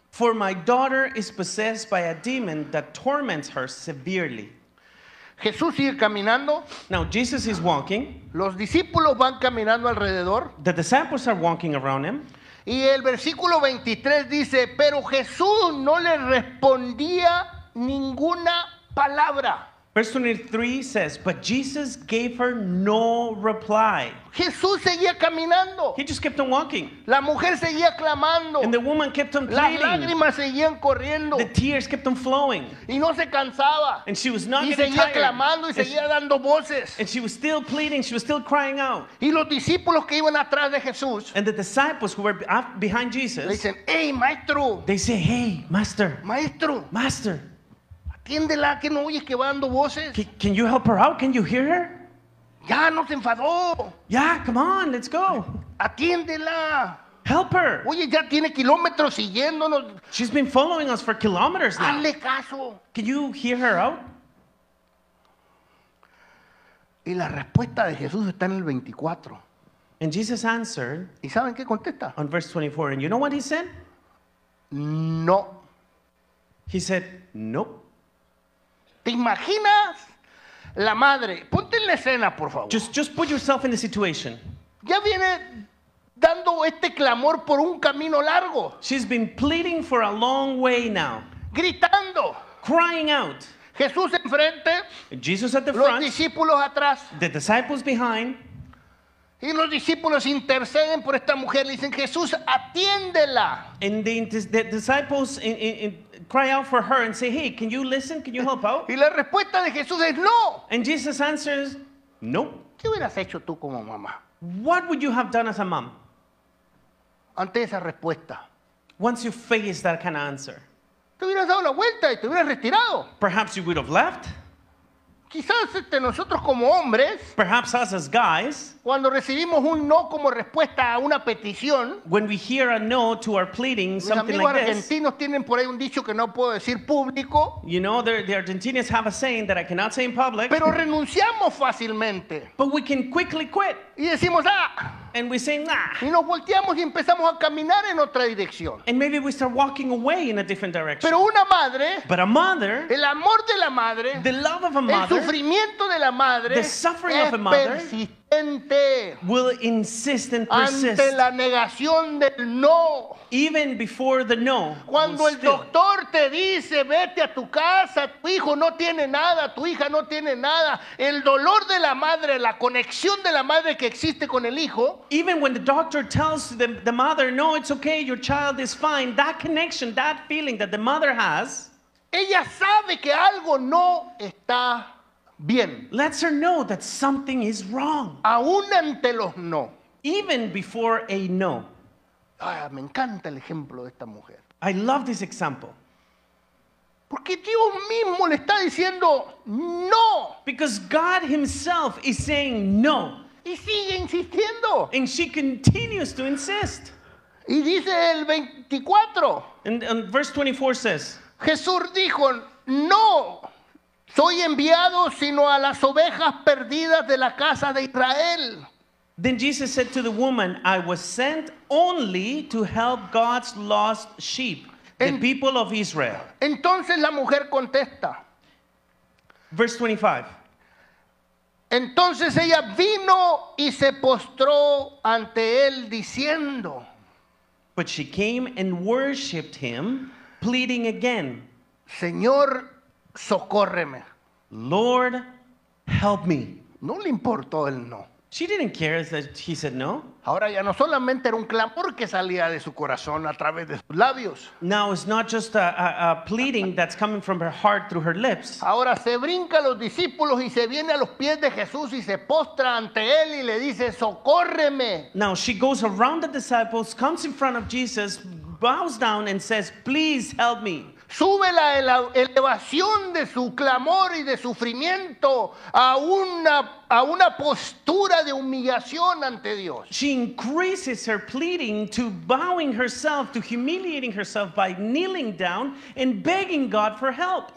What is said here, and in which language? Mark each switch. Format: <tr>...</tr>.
<en>For my daughter is possessed by a demon that torments her severely.</en> <es>Jesús sigue caminando.</es> <en>Now Jesus is walking.</en> <es>Los discípulos van caminando alrededor.</es> <en>The disciples are walking around him.</en> <es>Y el versículo 23 dice, pero Jesús no le respondía ninguna palabra.</es> <en>Verse 23 says, but Jesus gave her no reply.</en> <es>Jesús seguía caminando.</es> <en>He just kept on walking.</en> <es>La mujer seguía clamando.</es> <en>And the woman kept on pleading.</en> <es>Las lágrimas seguían corriendo.</es> <en>The tears kept on flowing.</en> <es>Y no se cansaba.</es> <en>And she was not getting tired.</en> <es>Y seguía clamando y seguía dando voces.</es> <en>And she was still pleading, she was still crying out.</en> <es>Y los discípulos que iban atrás de Jesús.</es> <en>And the disciples who were behind Jesus.</en> <es>Le dicen, hey, maestro.</es> <en>They say, hey, master.</en> <es>Maestro.</es> <en>Master.</en> <es>Tiéndela, que no oyes que va dando voces.</es> <en>Can you help her out? Can you hear her?</en> <es>Ya, no se enfadó.</es> <en>Yeah, come on, let's go.</en> <es>Atiéndela.</es> <en>Help her.</en> <es>Oye, ya tiene kilómetros siguiéndonos.</es> <en>She's been following us for kilometers now.</en> <es>Hazle caso.</es> <en>Can you hear her out?</en> <es>Y la respuesta de Jesús está en el 24.</es> <en>And Jesus answered.</en> <es>¿Y saben qué contesta?</es> <en>On verse 24. And you know what he said?</en> <es>No.</es> <en>He said, nope.</en> <es>¿Te imaginas la madre? Ponte en la escena, por favor.</es> <en>Just put yourself in the situation.</en> <es>Ya viene dando este clamor por un camino largo.</es> <en>She's been pleading for a long way now.</en> <es>Gritando.</es> <en>Crying out.</en> <es>Jesús enfrente.</es> <en>Jesus at the</en> <es>los</es> <en>front.</en> <es>Los discípulos atrás.</es> <en>The disciples behind.</en> <es>Y los discípulos interceden por esta mujer. Le dicen, Jesús, atiéndela.</es> <en>And the disciples cry out for her and say, hey, can you listen? Can you help out?</en> <es>Y la respuesta de Jesús es no.</es> <en>And Jesus answers, no.</en> <es>¿Qué hubieras hecho tú como mamá?</es> <en>What would you have done as a mom?</en> <es>Ante esa respuesta.</es> <en>Once you face that kind of answer.</en> <es>Te hubieras dado la vuelta y te hubieras retirado.</es> <en>Perhaps you would have left.</en> <es>Quizás nosotros como hombres,</es> <en>perhaps us as guys,</en> <es>cuando recibimos un no como respuesta a una petición,</es> <en>when we hear a no to our pleading, something like this.</en> <es>Los amigos argentinos tienen por ahí un dicho que no puedo decir público.</es> <en>You know, the Argentinians have a saying that I cannot say in public.</en> <es>Pero renunciamos fácilmente.</es> <en>But we can quickly quit.</en> <es>Y decimos ah.</es> <en>And we say nah.</en> <es>Y nos volteamos y empezamos a caminar en otra dirección.</es> <en>And maybe we start walking away in a different direction.</en> <es>Pero una madre,</es> <en>but a mother,</en> <es>el amor de la madre,</es> <en>the love of a mother,</en> <es>el sufrimiento de la madre,</es> <en>the suffering of a mother,</en> <es>persistente,</es> <en>will insist and persist.</en> <es>Ante la negación del no.</es> <en>Even before the no.</en> <es>Cuando el doctor te dice, vete a tu casa, tu hijo no tiene nada, tu hija no tiene nada. El dolor de la madre, la conexión de la madre que existe con el hijo.</es> <en>Even when the doctor tells the mother, no, it's okay, your child is fine. That connection, that feeling that the mother has.</en> <es>Ella sabe que algo no está bien.</es> <en>Lets her know that something is wrong.</en> <es>Aún ante los no.</es> <en>Even before a no.</en> <es>Ah, me encanta el ejemplo de esta mujer.</es> <en>I love this example.</en> <es>Porque Dios mismo le está diciendo no.</es> <en>Because God himself is saying no.</en> <es>Y sigue insistiendo.</es> <en>And she continues to insist.</en> <es>Y dice el 24.</es> <en>And verse 24 says.</en> <es>Jesús dijo, no, Soy enviado sino a las ovejas perdidas de la casa de Israel.</es> <en>Then Jesus said to the woman, I was sent only to help God's lost sheep, the people of Israel.</en> <es>Entonces la mujer contesta.</es> <en>Verse 25.</en> <es>Entonces ella vino y se postró ante él diciendo.</es> <en>But she came and worshipped him, pleading again.</en> <es>Señor, socórreme.</es> <en>Lord, help me.</en> <es>No le importó el no.</es> <en>She didn't care that he said no.</en> <es>Ahora ya no solamente era un clamor que salía de su corazón a través de sus labios.</es> <en>Now it's not just a pleading that's coming from her heart through her lips.</en> <es>Ahora se brinca a los discípulos y se viene a los pies de Jesús y se postra ante él y le dice, socórreme.</es> <en>Now she goes around the disciples, comes in front of Jesus, bows down and says, please help me.</en> <es>Sube la elevación de su clamor y de sufrimiento a una postura de humillación ante Dios.</es> <en>She increases her pleading to bowing herself, to humiliating herself by kneeling down and begging God for help.</en>